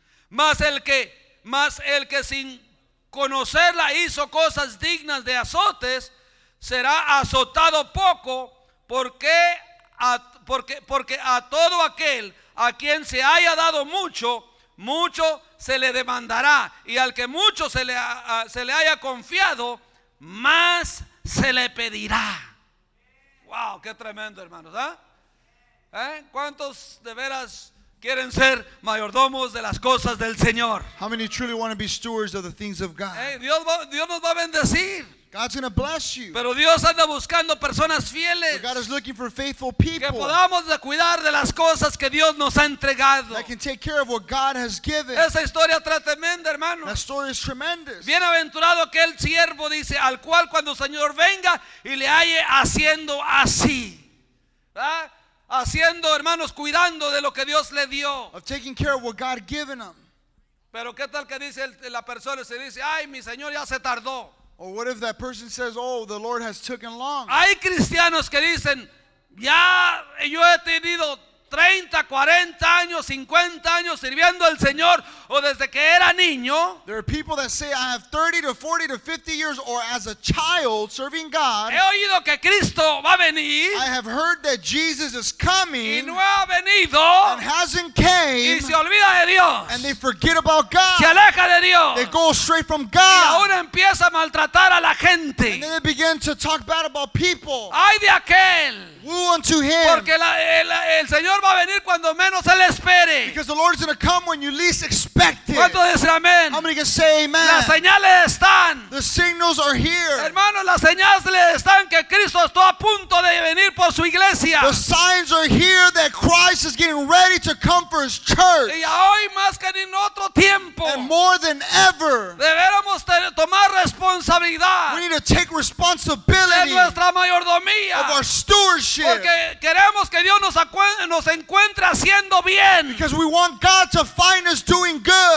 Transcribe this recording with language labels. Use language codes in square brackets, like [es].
[es] Mas el que sin conocerla hizo cosas dignas de azotes, será azotado poco, porque a todo aquel a quien se haya dado mucho, mucho se le demandará. Y al que mucho se le haya confiado, más se le pedirá. Wow, qué tremendo, hermanos, ¿eh? ¿Cuántos de veras quieren ser mayordomos de las cosas del Señor? [en] How many truly want to be stewards of the things of God? [es] Dios nos va a bendecir. [en] God's going to bless you. [es] Pero Dios anda buscando personas fieles. [en] But God is looking for faithful people. [es] Que podamos cuidar de las cosas que Dios nos ha entregado. [en] That can take care of what God has given. [es] Esa historia está tremenda, hermano. [en] That story is tremendous. [es] Bienaventurado aquel siervo, dice, al cual cuando el Señor venga y le halle haciendo así. ¿Verdad? Haciendo, hermanos, cuidando de lo que Dios le dio. [en] Of taking care of what God given him. [es] Pero qué tal que dice la persona, se dice, ay, mi Señor ya se tardó. [en] Or what if that person says, oh, the Lord has taken long. [es] Hay cristianos que dicen, ya yo he tenido 30, 40 años, 50 años sirviendo al Señor, o desde que era niño. [en] There are people that say, I have 30 to 40 to 50 years, or as a child serving God. [es] He oído que Cristo va a venir. [en] I have heard that Jesus is coming. [es] Y no ha venido. [en] And hasn't came. [es] Y se olvida de Dios. [en] And they forget about God. [es] Se aleja de Dios. [en] They go straight from God. [es] Y aún empieza a maltratar a la gente. [en] And then they begin to talk bad about people. [es] Ay de aquel. [en] Woe unto him. [es] Porque el Señor va a venir cuando menos él espere. [en] Because the Lord is going to come when you least expect it. [es] ¿Cuánto dicen amén? [en] How many can say amen? [es] Las señales están. [en] The signals are here. [es] Hermano, las señales están que Cristo está a punto de venir por su iglesia. [en] The signs are here that Christ is getting ready to come for his church. [es] Y hoy más que en otro tiempo. [en] And more than ever. [es] Deberíamos tomar responsabilidad. [en] We need to take responsibility. [es] De nuestra mayordomía. [en] Of our stewardship. [es] Porque queremos que Dios nos encuentre haciendo bien. [en] Because we want God to find us doing good.